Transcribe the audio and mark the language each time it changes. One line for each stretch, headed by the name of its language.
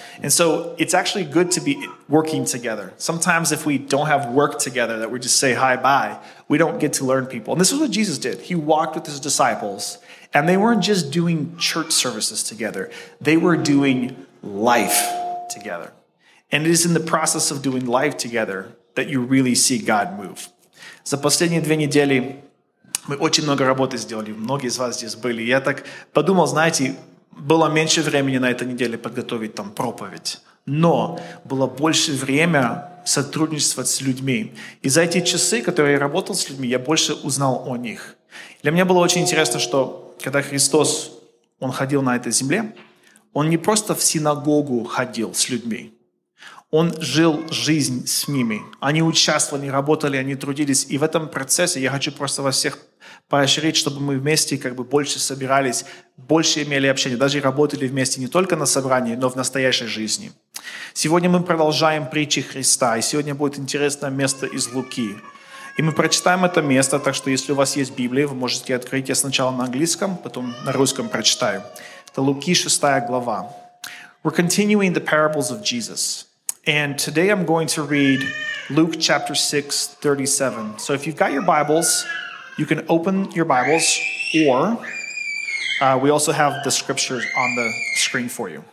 English: And so it's actually good to be working together. Sometimes if we don't have work together that we just say hi, bye, we don't get to learn people. And this is what Jesus did. He walked with his disciples. And they weren't just doing church services together. They were doing life together. And it is in the process of doing life together that you really see God move.
Russian: За последние две недели мы очень много работы сделали. Многие из вас здесь были. Я так подумал, знаете, было меньше времени на этой неделе подготовить там проповедь. Но было больше время сотрудничать с людьми. И за эти часы, которые я работал с людьми, я больше узнал о них. Для меня было очень интересно, что когда Христос, Он ходил на этой земле, Он не просто в синагогу ходил с людьми. Он жил жизнь с ними. Они участвовали, работали, они трудились. И в этом процессе я хочу просто вас всех поощрить, чтобы мы вместе как бы больше собирались, больше имели общение, даже работали вместе не только на собрании, но в настоящей жизни. Сегодня мы продолжаем притчи Христа, и сегодня будет интересное место из Луки. И мы прочитаем это место, так что если у вас есть Библия, вы можете открыть ее сначала на английском, потом на русском прочитаю. Это Луки, 6 глава.
English: We're continuing the parables of Jesus. And today I'm going to read Luke chapter 6, 37. So if you've got your Bibles, you can open your Bibles, or we also have the scriptures on the screen for you.